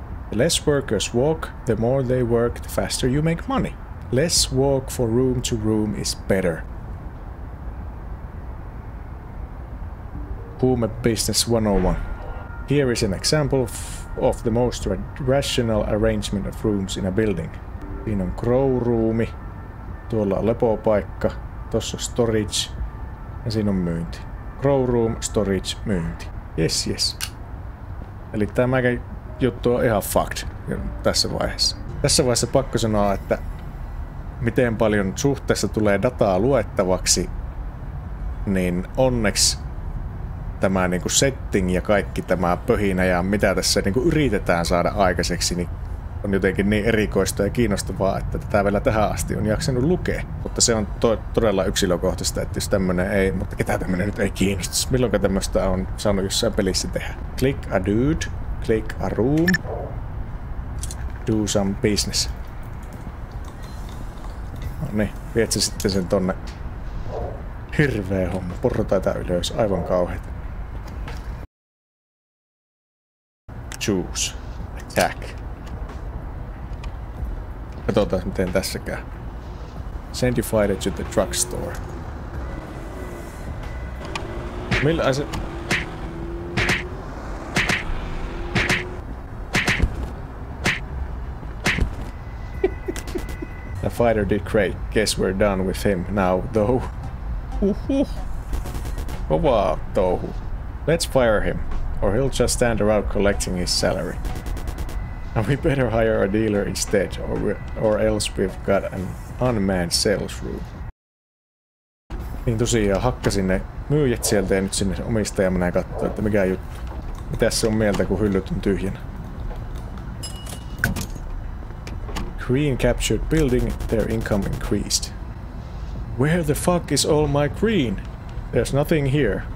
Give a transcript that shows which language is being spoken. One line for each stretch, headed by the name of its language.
English: The less workers walk, the more they work, the faster you make money. Less walk for room to room is better. Huume Business 101. Here is an example of the most rational arrangement of rooms in a building.
Finnish: Siinä on grow-ruumi, tuolla on lepopaikka, tossa on storage ja siinä on myynti.
English: Grow room, storage,
Finnish: myynti.
English: Yes, yes.
Finnish: Eli tämä juttu on ihan fucked tässä vaiheessa. Tässä vaiheessa pakko sanoa, että miten paljon suhteessa tulee dataa luettavaksi, niin onneksi tämä niin kuin setting ja kaikki tämä pöhinä ja mitä tässä niin kuin yritetään saada aikaiseksi, niin on jotenkin niin erikoista ja kiinnostavaa, että tätä vielä tähän asti on jaksanut lukea. Mutta se on todella yksilökohtaista, että jos tämmönen ei, mutta ketä tämmönen nyt ei kiinnostaisi. Milloinka tämmöstä on saanut jossain pelissä tehdä?
English: Click a dude, click a room, do some business.
Finnish: No niin, viet se sitten sen tonne. Hirveä homma, purro tätä ylös, aivan kauheat.
English: Choose, attack.
Finnish: Katsotaan, miten tässä käy.
English: Send you fight it to the drugstore.
Finnish: Millä se...
English: The fighter did great. Guess we're done with him now, though. Uhuh.
Finnish: Kovaa touhu.
English: Let's fire him. Or he'll just stand around collecting his salary. And we better hire a dealer instead, or else we've got an unmanned sales room.
Finnish: Niin tosiaan, hakkasin ne myyjät sieltä ja nyt sinne omistaja menee katsoa, että mikä juttu. Mitäs se on mieltä, kun hyllyt on tyhjänä?
English: Green captured building, their income increased. Where the fuck is all my green? There's nothing here.